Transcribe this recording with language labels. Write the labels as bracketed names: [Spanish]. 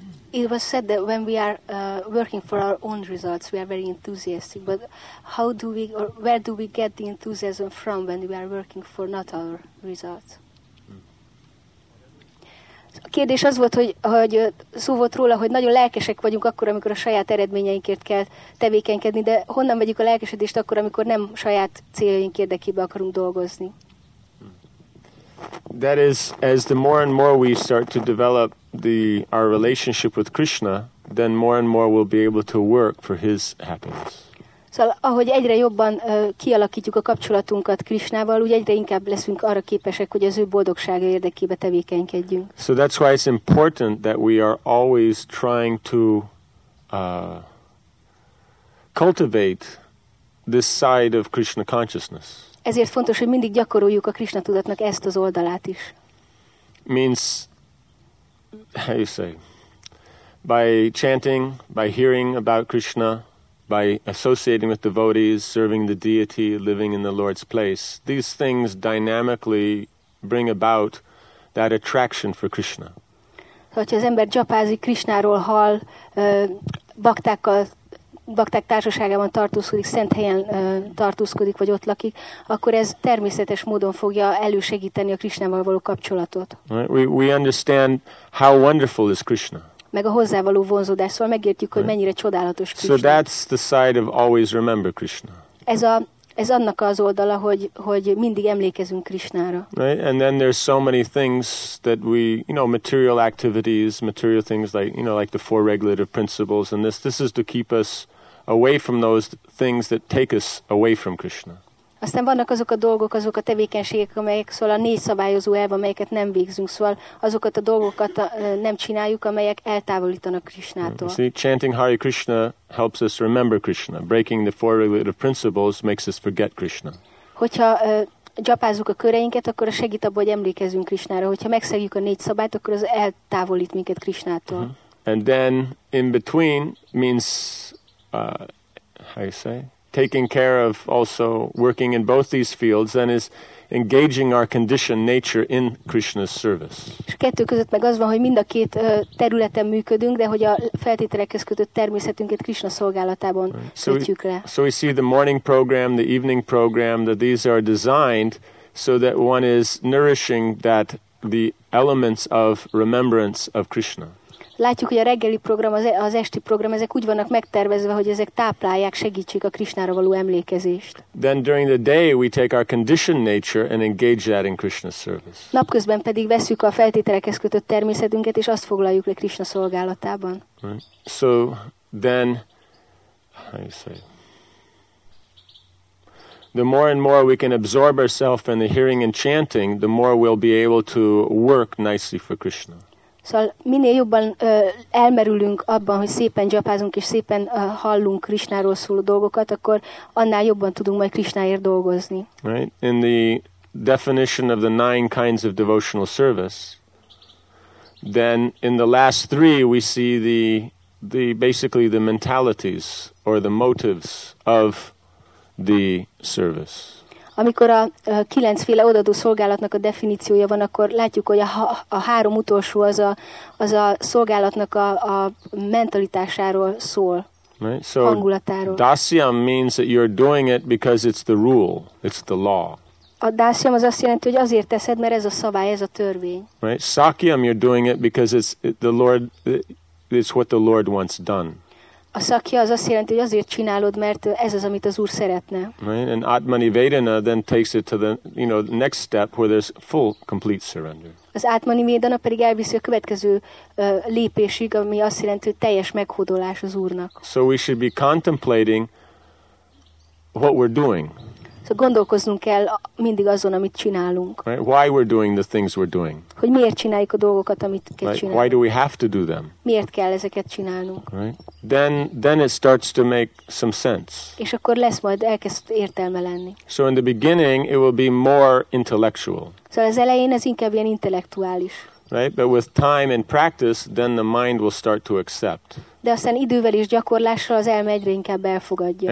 [English] It was said that when we are working for our own results, we are very enthusiastic. But how do we, or where do we get the enthusiasm from when we are working for not our results? [Hungarian] A kérdés az volt, hogy szó volt róla, hogy nagyon lelkesek vagyunk akkor, amikor a saját eredményeinkért kell tevékenykedni, de honnan vegyük a lelkesedést akkor, amikor nem saját céljaink érdekében akarunk dolgozni? [English] That is, as the more and more we start to develop our relationship with Krishna, then more and more we'll be able to work for his happiness. [Hungarian] Szóval, ahogy egyre jobban kialakítjuk a kapcsolatunkat Krishnával, úgy egyre inkább leszünk arra képesek, hogy az ő boldogsága érdekébe tevékenykedjünk. [English] So that's why it's important that we are always trying to cultivate this side of Krishna consciousness. [Hungarian] Ezért fontos, hogy mindig gyakoroljuk a Krishna tudatnak ezt az oldalát is. [English] Means, how you say, by chanting, by hearing about Krishna, by associating with devotees, serving the deity, living in the Lord's place, these things dynamically bring about that attraction for Krishna. [Hungarian] Hogyha az ember gyapázik Krishnáról hall, bakták társaságában tartózkodik, szent helyen tartózkodik, vagy ott lakik, akkor ez természetes módon fogja elősegíteni a Krishnával való kapcsolatot. [English] Right? We understand how wonderful is Krishna. [Hungarian] Meg a hozzávaló vonzódás, szóval megértjük, hogy mennyire csodálatos Krishna. [English] So that's the side of always remember Krishna. [Hungarian] Ez annak az oldala, hogy mindig emlékezünk Krishnára. [English] Right? And then there's so many things that we, you know, material activities, material things like, you know, like the four regulative principles and this is to keep us away from those things that take us away from Krishna. [Hungarian] Aztán vannak azok a dolgok, azok a tevékenységek, amelyek, szóval a négy szabályozó elv, amelyeket nem végzünk, szóval azokat a dolgokat nem csináljuk, amelyek eltávolítanak Krishnától. [English] See, chanting Hare Krishna helps us remember Krishna. Breaking the four regulative principles makes us forget Krishna. [Hungarian] Hogyha gyapázzuk a köreinket, akkor segít abban, hogy emlékezzünk Krishnára. Hogyha megszegjük a négy szabályt, akkor az eltávolít minket Krishnától. Uh-huh. [English] And then in between means, how you say, taking care of also working in both these fields then is engaging our conditioned nature in Krishna's service. [Hungarian] És kettő között meg az van, hogy mind a két területen működünk, de hogy a feltételekhez kötött természetünket Krishna szolgálatában kötjük le. [English] So we see the morning program, the evening program, that these are designed so that one is nourishing that the elements of remembrance of Krishna. [Hungarian] Látjuk, hogy a reggeli program, az esti program, ezek úgy vannak megtervezve, hogy ezek táplálják, segítsék a Krishnára való emlékezést. [English] Then during the day we take our conditioned nature and engage that in Krishna's service. [Hungarian] Napközben pedig veszük a feltételekhez kötött természetünket, és azt foglaljuk le Krishna szolgálatában. [English] Right. So then, how you say, the more and more we can absorb ourselves in the hearing and chanting, the more we'll be able to work nicely for Krishna. [Hungarian] Szóval minél jobban elmerülünk abban, hogy szépen japázunk és szépen hallunk Krishnáról szóló dolgokat, akkor annál jobban tudunk majd Krishnáért dolgozni. [English] Right. In the definition of the nine kinds of devotional service, then in the last three we see the basically the mentalities or the motives of the service. [Hungarian] Amikor a kilencféle odaadó szolgálatnak a definíciója van, akkor látjuk, hogy a három utolsó az a szolgálatnak a mentalitásáról szól, [English] right. So [Hungarian] hangulatáról. [English] Dasyam means that you're doing it because it's the rule, it's the law. [Hungarian] A dasyam az azt jelenti, hogy azért teszed, mert ez a szabály, ez a törvény. [English] Right. Sakyam, you're doing it because it's the Lord, it's what the Lord wants done. [Hungarian] A szakja az azt jelenti, hogy azért csinálod, mert ez az, amit az Úr szeretne. [English] Right? And Atmanivedana then takes it to the, you know, next step where there's full, complete surrender. [Hungarian] Az Atmanivedana pedig elviszi a következő lépésig, ami azt jelenti, hogy teljes meghódolás az Úrnak. [English] So we should be contemplating what we're doing. [Hungarian] So gondolkoznunk kell mindig azon, amit csinálunk. [English] Right? Why we're doing the things we're doing. [Hungarian] Hogy miért csináljuk a dolgokat, amit kell csinálni. [English] Why do we have to do them? [Hungarian] Miért kell ezeket csinálnunk? [English] Right? Then it starts to make some sense. [Hungarian] És akkor lesz majd elkezd értelme lenni. [English] So in the beginning it will be more intellectual. [Hungarian] Szóval az elején ez inkább ilyen intellektuális. [English] Right? But with time and practice then the mind will start to accept. [Hungarian] De aztán idővel és gyakorlással az elme egyre inkább elfogadja.